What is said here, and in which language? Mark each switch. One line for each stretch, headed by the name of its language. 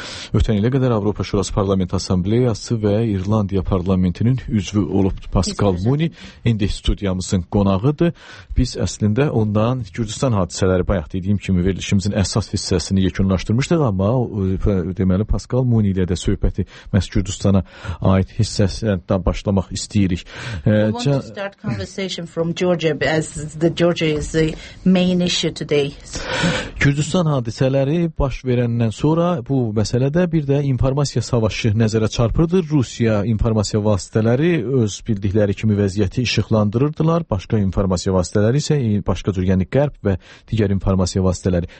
Azerbaijani: Ötən ilə qədər Avropa Şurası Parlament Assambleyası və İrlandiya Parlamentinin üzvü olub Pascal Muni. İndi studiyamızın qonağıdır. Biz əslində ondan Gürcüstan hadisələri bayaq dediyim kimi verilişimizin əsas hissəsini yekunlaşdırmışdıq. Amma deməli Pascal Muni ilə də söhbəti məhz Gürcüstana aid hissəsindən başlamaq istəyirik.
English: To start conversation from Georgia as the Georgia is the main issue today.
Azerbaijani: Kürdistan hadisələri baş verəndən sonra bu məsələdə bir də informasiya savaşı nəzərə çarpırdı. Rusiya informasiya vasitələri öz bildikləri kimi vəziyyəti işıqlandırırdılar. Başqa informasiya vasitələri isə başqa cür, yəni Qərb və digər informasiya vasitələri.